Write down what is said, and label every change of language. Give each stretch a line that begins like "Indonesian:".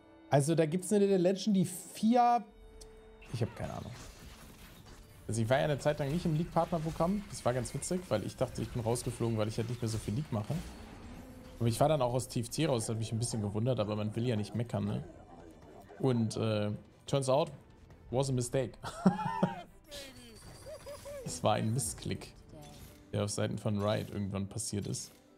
German: Also da gibt es eine Little Legend, die 4... Ich habe keine Ahnung. Also ich war ja eine Zeit lang nicht im League-Partner-Programm. Das war ganz witzig, weil ich dachte, ich bin rausgeflogen, weil ich halt nicht mehr so viel League mache. Aber ich war dann auch aus TFT raus, das hat mich ein bisschen gewundert, aber man will ja nicht meckern, ne? Und
English: turns out, was a mistake.
German: Es war ein Missklick, der auf Seiten von Riot irgendwann passiert ist.